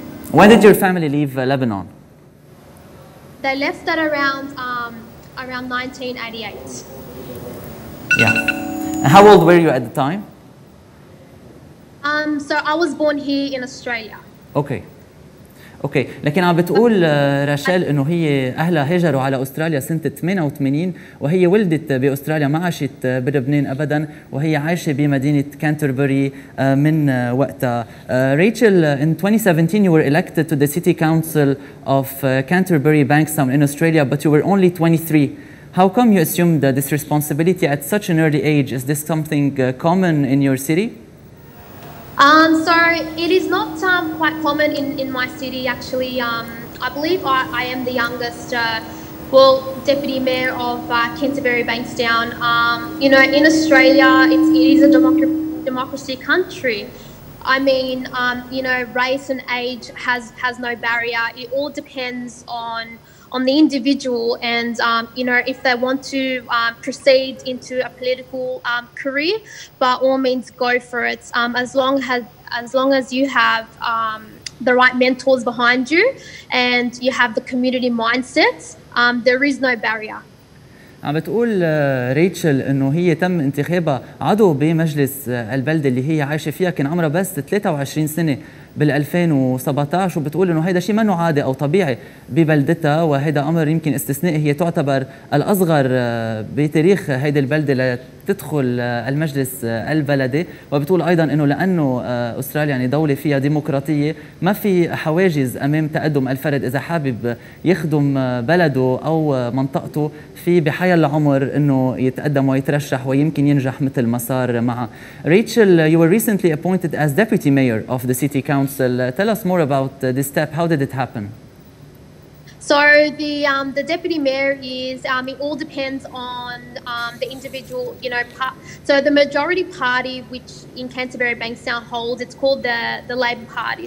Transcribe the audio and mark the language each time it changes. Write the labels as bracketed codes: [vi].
[en] when did your family leave Lebanon? They left at around 1988. Yeah. And how old were you at the time? So I was born here in Australia. Okay. [ar] اوكي، لكن عم بتقول راشيل انه هي اهلها هاجروا على استراليا سنة 88، وهي ولدت باستراليا ما عاشت بلبنان ابدا، وهي عايشة بمدينة كانتربري من وقتها. [en] Rachel, in 2017 you were elected to the city council of Canterbury Bankstown in Australia but you were only 23. How come you assumed this responsibility at such an early age? Is this something common in your city? So it is not quite common in my city actually. I believe I am the youngest deputy mayor of Canterbury Bankstown. You know, in Australia it is a democracy country. I mean, you know, race and age has no barrier. It all depends on the individual and you know, if they want to proceed into a political career, by all means go for it, as long as you have the right mentors behind you and you have the community mindset, there is no barrier. [ar] عم بتقول ريتشل انه هي تم انتخابها عضو بمجلس البلدة اللي هي عايشة فيها، كان عمرها بس 23 سنة بال 2017، وبتقول انه هيدا شيء منه عادي او طبيعي ببلدتها، وهيدا امر يمكن استثنائي، هي تعتبر الاصغر بتاريخ هيدي البلدة لتدخل المجلس البلدي، وبتقول ايضا انه لانه استراليا يعني دولة فيها ديمقراطية ما في حواجز امام تقدم الفرد اذا حابب يخدم بلده او منطقته، في بحي العمر انه يتقدم ويترشح ويمكن ينجح مثل ما صار معه. [en] Rachel, you were recently appointed as deputy mayor of the city council. Tell us more about this step. How did it happen? So the deputy mayor is, it all depends on the individual, you know, so the majority party, which in Canterbury Bankstown holds, it's called the Labor Party.